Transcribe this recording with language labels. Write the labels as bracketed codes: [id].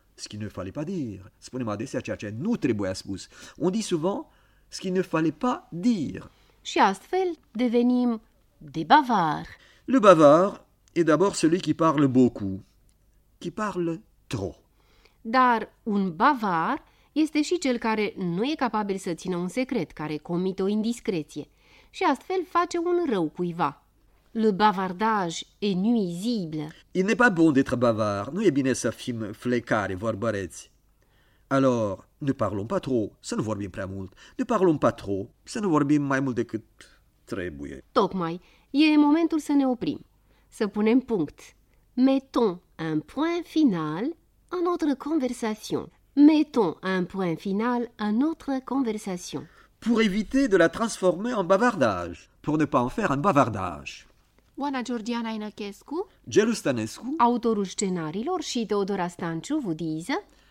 [fr] ce qu'il ne fallait pas dire. [ro] Spunem adesea ceea ce nu trebuia spus. [fr] On dit souvent ce qu'il ne fallait pas dire. [ro] Și astfel devenim [fr] des bavards. Le bavard est d'abord celui qui parle beaucoup, qui parle trop. [ro] Dar un bavard este și cel care nu e capabil să țină un secret, care comite o indiscreție și astfel face un rău cuiva. [fr] Le bavardage est nuisible. Il n'est pas bon d'être bavard. [ro] Nu e bine să fim flecare, vorbăreți. [fr] Alors, ne parlons pas trop, [ro] să nu vorbim prea mult. [fr] Ne parlons pas trop, [ro] să nu vorbim mai mult decât trebuie. Tocmai, e momentul să ne oprim, să punem punct. [fr] Mettons un point final à notre conversation. Mettons un point final à notre conversation. Pour éviter de la transformer en bavardage, pour ne pas en faire un bavardage. [ro] Oana Georgiana Inăchescu, Gelu Stănescu, autorul scenariilor, și Teodora Stanciu vă dize